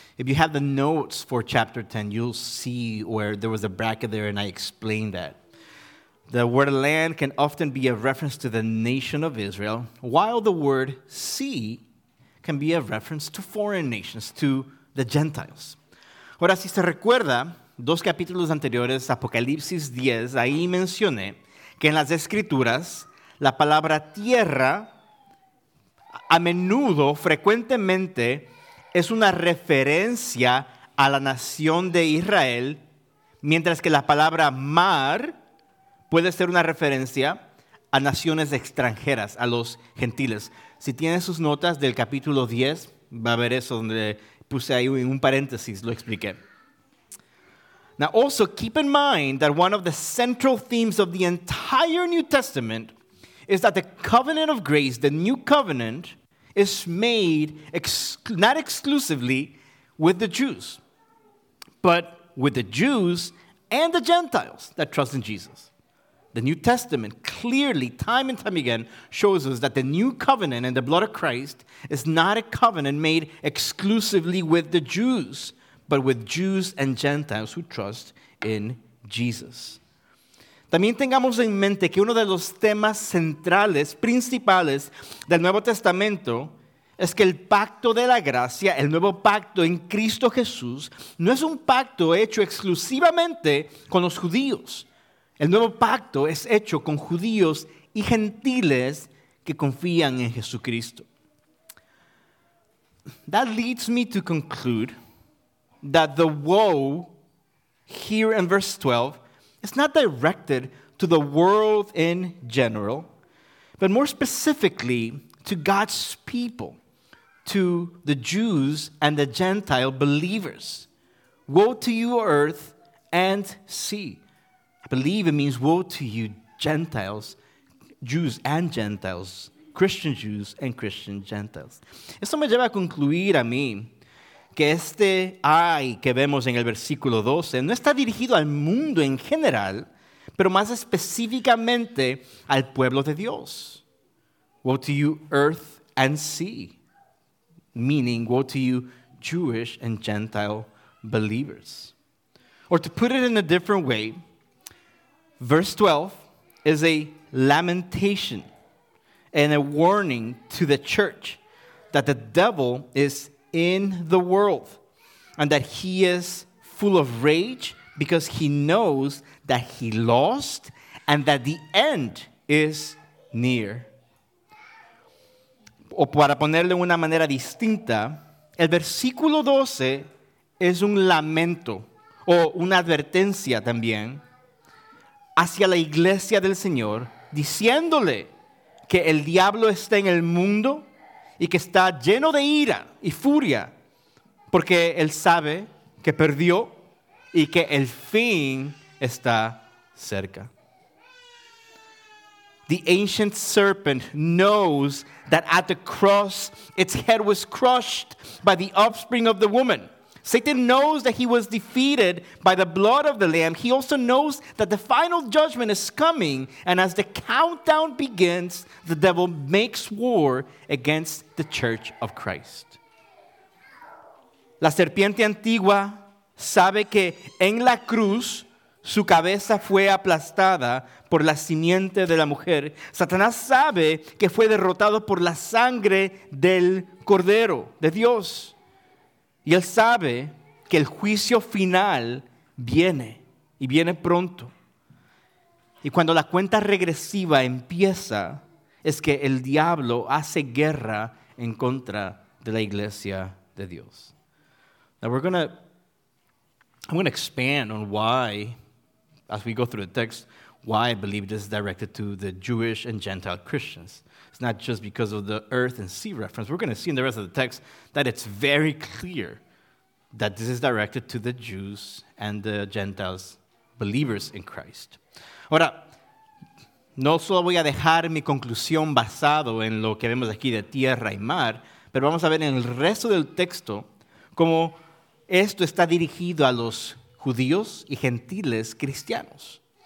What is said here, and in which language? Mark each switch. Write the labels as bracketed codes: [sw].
[en] If you have the notes for chapter 10, you'll see where there was a bracket there and I explained that. The word land can often be a reference to the nation of Israel, while the word sea can be a reference to foreign nations, to the Gentiles. [es] Ahora, si se recuerda, dos capítulos anteriores, Apocalipsis 10, ahí mencioné que en las Escrituras la palabra tierra a menudo, frecuentemente, es una referencia a la nación de Israel, mientras que la palabra mar puede ser una referencia a naciones extranjeras, a los gentiles. Si tienes sus notas del capítulo 10, va a haber eso donde puse ahí en un paréntesis, lo expliqué. [en] Now also keep in mind that one of the central themes of the entire New Testament is that the covenant of grace, the new covenant, is made not exclusively with the Jews, but with the Jews and the Gentiles that trust in Jesus. The New Testament clearly, time and time again, shows us that the new covenant and the blood of Christ is not a covenant made exclusively with the Jews, but with Jews and Gentiles who trust in Jesus. [es] También tengamos en mente que uno de los temas centrales, principales del Nuevo Testamento es que el pacto de la gracia, el nuevo pacto en Cristo Jesús, no es un pacto hecho exclusivamente con los judíos. El nuevo pacto es hecho con judíos y gentiles que confían en Jesucristo. [en] That leads me to conclude that the woe here in verse 12 is not directed to the world in general, but more specifically to God's people, to the Jews and the Gentile believers. Woe to you, earth and sea. I believe it means woe to you, Gentiles, Jews and Gentiles, Christian Jews and Christian Gentiles. [es] Eso me lleva a concluir a mí que este ay que vemos en el versículo 12 no está dirigido al mundo en general, pero más específicamente al pueblo de Dios. [en] Woe to you, earth and sea. Meaning, woe to you, Jewish and Gentile believers. Or to put it in a different way, verse 12 is a lamentation and a warning to the church that the devil is in the world and that he is full of rage because he knows that he lost and that the end is near. [es] O para ponerle una manera distinta, el versículo 12 es un lamento o una advertencia también hacia la iglesia del Señor, diciéndole que el diablo está en el mundo y que está lleno de ira y furia porque él sabe que perdió y que el fin está cerca. [en] The ancient serpent knows that at the cross its head was crushed by the offspring of the woman. Satan knows that he was defeated by the blood of the Lamb. He also knows that the final judgment is coming. And as the countdown begins, the devil makes war against the church of Christ. [es] La serpiente antigua sabe que en la cruz su cabeza fue aplastada por la simiente de la mujer. Satanás sabe que fue derrotado por la sangre del Cordero de Dios. Y él sabe que el juicio final viene, y viene pronto. Y cuando la cuenta regresiva empieza, es que el diablo hace guerra en contra de la iglesia de Dios. [en] Now we're going to, I'm going to expand on why, as we go through the text, why I believe this is directed to the Jewish and Gentile Christians. It's not just because of the earth and sea reference. We're going to see in the rest of the text that it's very clear that this is directed to the Jews and the Gentiles, believers in Christ. [es] Ahora, no solo voy a dejar mi conclusión basado en lo que vemos aquí de tierra y mar, pero vamos a ver en el resto del texto cómo esto está dirigido a los judíos y gentiles cristianos.